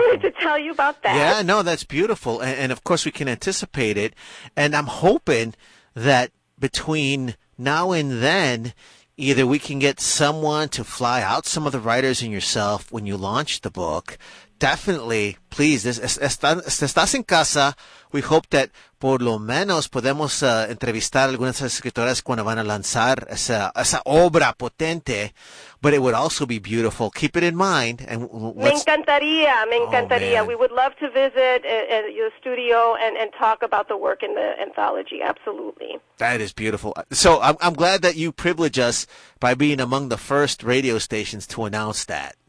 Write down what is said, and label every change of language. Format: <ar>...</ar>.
<en>wanted to tell you about that. Yeah, no, that's beautiful. And of course, we can anticipate it. And I'm hoping that between now and then, either we can get someone to fly out some of the writers and yourself when you launch the book. Definitely, please,</en> <es>estás en casa.</es> <en>We hope that</en> <es>por lo menos podemos entrevistar algunas escritoras cuando van a lanzar esa obra potente.</es> <en>But it would also be beautiful. Keep it in mind. And</en> <es>me encantaría. Oh,</es> <en>we would love to visit your studio and talk about the work in the anthology. Absolutely. That is beautiful. So I'm glad that you privilege us by being among the first radio stations to announce that.</en>